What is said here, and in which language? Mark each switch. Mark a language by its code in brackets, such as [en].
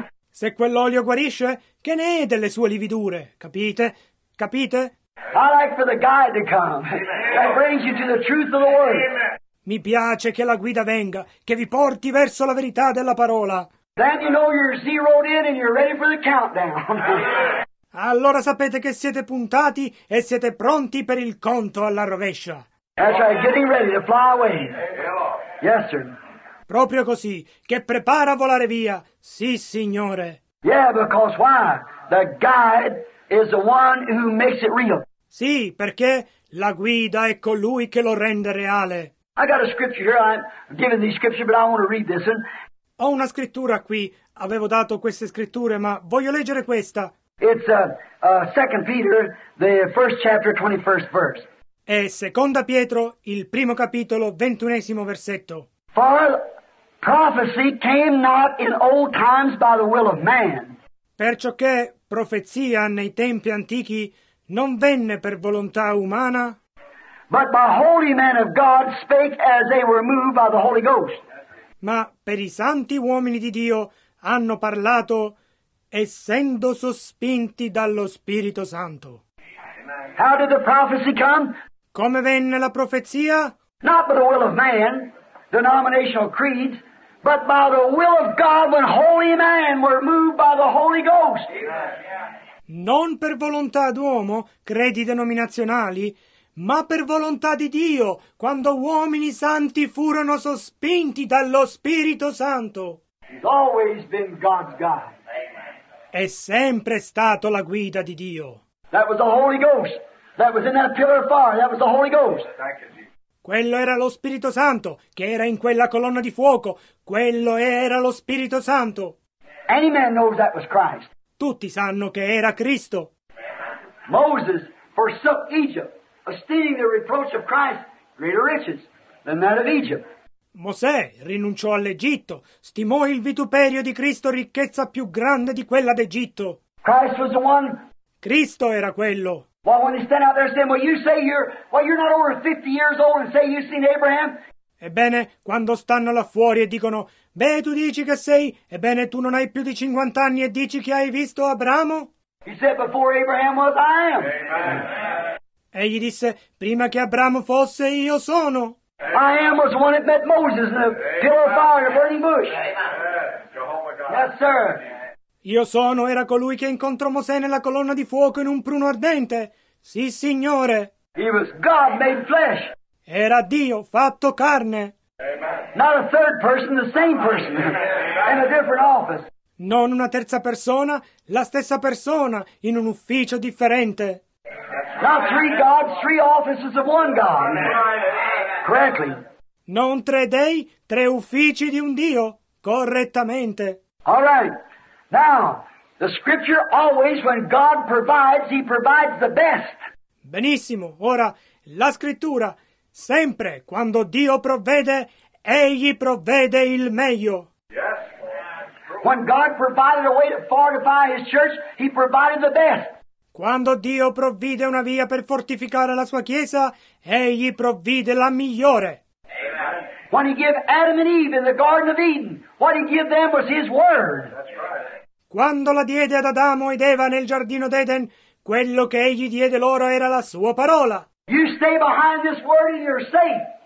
[it] Se quell'olio guarisce, che ne è delle sue lividure? Capite? Capite? [en] I like for the guide to come. That brings you to the truth of the word. [it] Mi piace che la guida venga, che vi porti verso la verità della parola. [en] Then you know you're zeroed in and you're ready for the countdown. [it] Allora sapete che siete puntati e siete pronti per il conto alla rovescia. [en] That's right, getting ready to fly away. Yes, sir. [it] Proprio così, che prepara a volare via. Sì, Signore. [en] Yeah, because why? The guide is the one who makes it real. [it] Sì, perché la guida è colui che lo rende reale. [en] I got a scripture here. I'm giving the scripture, but I want to read this one. [it] Ho una scrittura qui. Avevo dato queste scritture, ma voglio leggere questa. [en] It's Second Peter, the first chapter, 21st verse. [it] È Seconda Pietro, il primo capitolo, 21esimo versetto. [en] For prophecy came not in old times by the will of man. [it] Perciò che profezia nei tempi antichi non venne per volontà umana. [en] But by holy men of God spake as they were moved by the Holy Ghost. [it] Ma per i santi uomini di Dio hanno parlato essendo sospinti dallo Spirito Santo. [en] How did the prophecy come? [it] Come venne la profezia? [en] Not by the will of man, denominational creeds, but by the will of God when holy men were moved by the Holy Ghost. [it] Non per volontà d'uomo, credi denominazionali, ma per volontà di Dio, quando uomini santi furono sospinti dallo Spirito Santo. [en] He's always been God's guide. [it] È sempre stato la guida di Dio. [en] That was the Holy Ghost. That was in that pillar of fire. That was the Holy Ghost. Thank you. [it] Quello era lo Spirito Santo, che era in quella colonna di fuoco. Quello era lo Spirito Santo. [en] Any man knows that was Christ. [it] Tutti sanno che era Cristo. [en] Moses forsook Egypt, esteeming the reproach of Christ greater riches than that of Egypt. [it] Mosè rinunciò all'Egitto, stimò il vituperio di Cristo ricchezza più grande di quella d'Egitto. [en] Christ was the one. [it] Cristo era quello. [en] Well, when they stand out there saying, well, you say you're not over 50 years old and say you've seen Abraham. [it] Ebbene, quando stanno là fuori e dicono, beh, tu dici che sei, ebbene, tu non hai più di 50 anni e dici che hai visto Abramo. [en] He said, before Abraham was, I am. Amen. [it] Egli disse, prima che Abramo fosse, io sono. [en] I am was the one that met Moses in the pillar of fire, the burning bush. Jehovah God. Yes, sir. [it] Io sono era colui che incontrò Mosè nella colonna di fuoco in un pruno ardente. Sì, Signore. [en] He was God made flesh. [it] Era Dio fatto carne. [en] Amen. Not a third person, the same person. In a different office. [it] Non una terza persona, la stessa persona in un ufficio differente. [en] Not three gods, three offices of one God. Correctly. [it] Non tre dei, tre uffici di un Dio. Correttamente. [en] All right. Now, the scripture always, when God provides, he provides the best. [it] Benissimo. Ora, la scrittura, sempre, quando Dio provvede, egli provvede il meglio. [en] Yes. When God provided a way to fortify his church, he provided the best. [it] Quando Dio provvide una via per fortificare la sua chiesa, egli provvide la migliore. [en] Amen. When he gave Adam and Eve in the Garden of Eden, what he gave them was his word. [it] Quando la diede ad Adamo ed Eva nel giardino d'Eden, quello che egli diede loro era la sua parola. [en] You stay behind this word and you're safe.